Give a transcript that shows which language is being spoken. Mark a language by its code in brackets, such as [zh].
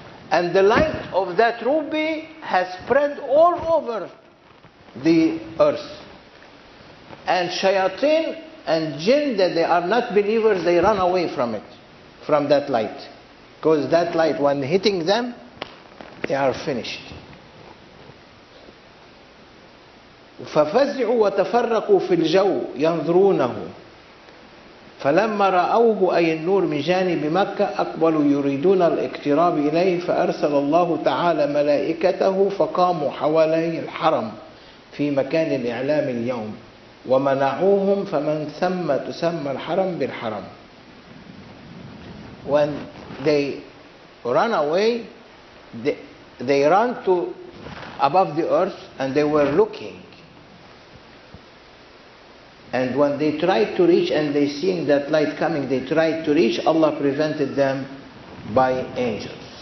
[en] And the light of that ruby has spread all over the earth. And shayateen and jinn, that they are not believers, they run away from it, from that light. Because that light, when hitting them, they are finished. [ar] فَفَزِعُوا وَتَفَرَّقُوا فِي الْجَوْءِ يَنْظُرُونَهُ فلما رأوه أي النور من جانب مكة أقبلوا يريدون الاقتراب إليه فأرسل الله تعالى ملائكته فقاموا حوالي الحرم في مكان الإعلام اليوم ومنعوهم فمن ثم تسمى الحرم بالحرم. [en] When they run away, they run to above the earth and they were looking And when they tried to reach and they seeing that light coming, they tried to reach, Allah prevented them by angels.